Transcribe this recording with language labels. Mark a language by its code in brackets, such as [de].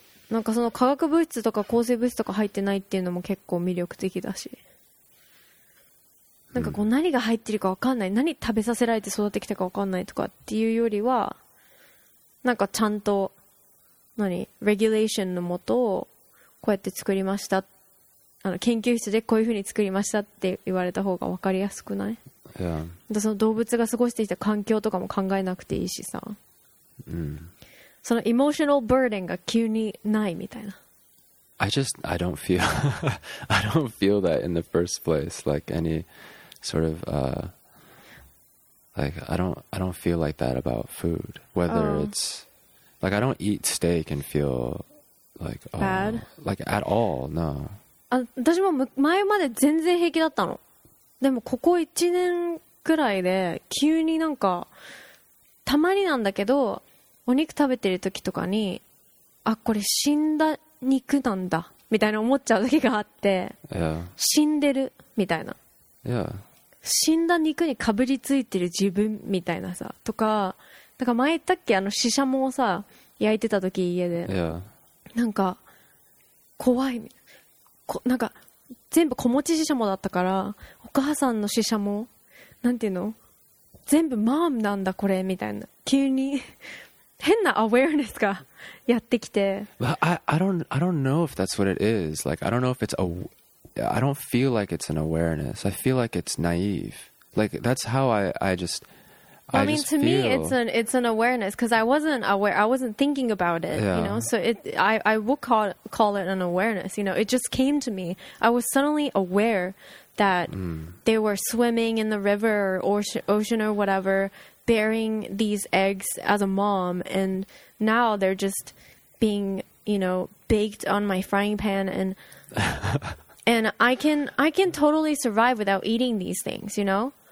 [ja] なんかその化学物質とか抗生物質とか入ってないっていうのも結構魅力的だし、なんかこう何が入ってるか分かんない、何食べさせられて育ってきたか分かんないとかっていうよりはなんかちゃんと何レギュレーションのもとをこうやって作りました、あの研究室でこういうふうに作りましたって言われた方が分かりやすくない？ [en] Yeah. [ja] その動物が過ごしてきた環境とかも考えなくていいしさ、 mm. そのエモーショナルバーデンが急にないみたいな。 [en] I don't feel I don't feel that in the first place, like any sort of like I don't feel like that about food, whether it's like I don't eat steak and feel like bad like at all. No, [ja] 私も前まで全然平気だったの。でもここ1年くらいで急になんかたまになんだけどお肉食べてる時とかに、あこれ死んだ肉なんだみたいな思っちゃう時があって、 [en] yeah. [ja] 死んでるみたいな、 [en] yeah. [ja] 死んだ肉にかぶりついてる自分みたいなさ、とかだから前言ったっけ、あのししゃもをさ焼いてた時家で、 [en] yeah. [ja] なんか怖いみたいな、んか全部子持ちししゃもだったからお母さんのししゃもなんていうの全部マームなんだこれみたいな、急に変なアウェアネスがやってきて、 [en] I don't know if that's what it is, like I don't know if it's a I don't feel like it's an awareness, I feel like it's naive, like that's how I mean to me it's an awareness, because I wasn't thinking about it, yeah. You know, so I would call it an awareness, you know, it just came to me, I was suddenly aware that they were swimming in the river or ocean or whatever bearing these eggs as a mom, and now they're just being, you know, baked on my frying pan and and I can totally survive without eating these things, you know,